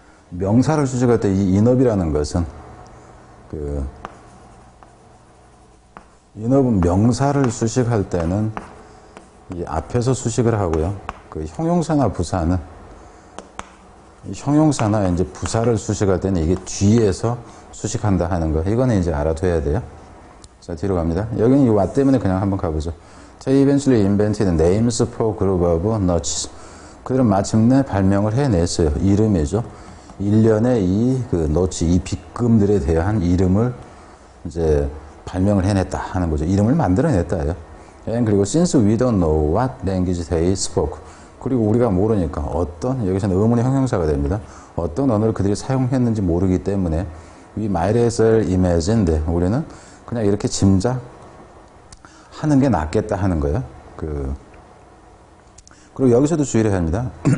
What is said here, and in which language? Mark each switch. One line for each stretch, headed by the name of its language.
Korean: 명사를 수식할 때 이 enough이라는 것은 그 enough은 명사를 수식할 때는 이 앞에서 수식을 하고요. 그 형용사나 부사는 형용사나 이제 부사를 수식할 때는 이게 뒤에서 수식한다 하는 거. 이거는 이제 알아둬야 돼요. 자, 뒤로 갑니다. 여기는 이 what 때문에 그냥 한번 가보죠.
English: They eventually invented names for group of nuts.
Korean: 그들은 마침내 발명을 해냈어요. 이름이죠. 일련의 이 그 nuts, 이 빗금들에 대한 이름을 이제 발명을 해냈다 하는 거죠. 이름을 만들어냈다. 예요.
English: And
Korean: 그리고
English: since we don't know what language they spoke.
Korean: 그리고 우리가 모르니까 어떤, 여기서는 의문의 형용사가 됩니다. 어떤 언어를 그들이 사용했는지 모르기 때문에
English: we might as well imagine that.
Korean: 우리는 그냥 이렇게 짐작하는 게 낫겠다 하는 거예요. 그리고 여기서도 주의를 해야 합니다.